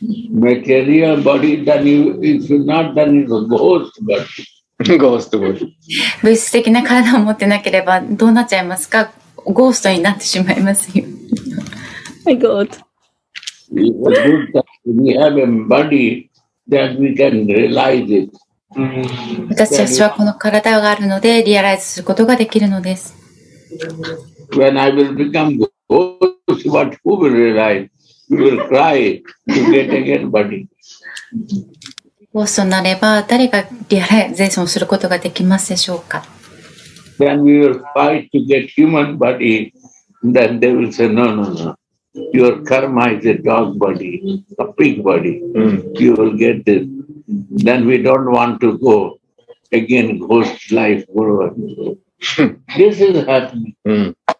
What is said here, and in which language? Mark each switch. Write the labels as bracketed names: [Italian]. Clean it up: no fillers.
[English] Material body, then you, if not, then it's a ghost body. Ghost body. [Japanese] 物質的な体を持ってなければどうなっちゃいますか？ゴーストになってしまいますよ。 [English] My God. If a good time, we have a body, then we can realize it. [Japanese] 私たちはこの体があるので、リアライズすることができるのです。 [English] When I will become ghost, what who will realize? You will cry to get again body. [Japanese] ゴーストになれば誰がリアライゼーションすることができますでしょうか。 [English] Then we will fight to get human body. Then they will say, no, no, no. Your karma is a dog body, a pig body. You will get this. Then we don't want to go again ghost life. This is happening.